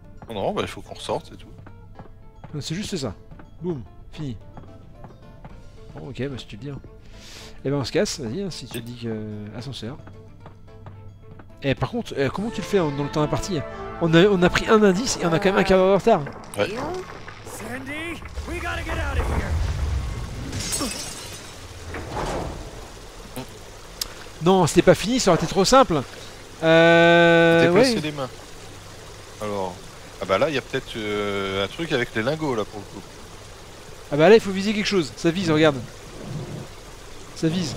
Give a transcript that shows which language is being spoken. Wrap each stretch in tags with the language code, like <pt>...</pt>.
<fr>Non, bah il faut qu'on ressorte et tout. Non, c'est juste ça. Boum, fini. Bon, ok, bah si tu le dis. Hein. Eh ben on se casse, vas-y, hein, si tu dis que... Ascenseur. Eh, par contre, comment tu le fais dans le temps imparti? On a pris un indice et on a quand même un quart d'heure en retard. Ouais.</fr> <en>Sandy, we gotta get out of here.</en> <fr>Non, c'était pas fini, ça aurait été trop simple. Déplacer ouais. Les mains. Alors... Ah bah là, il y a peut-être un truc avec les lingots, là, pour le coup. Ah bah là, il faut viser quelque chose. Ça vise, regarde. Ça vise.</fr>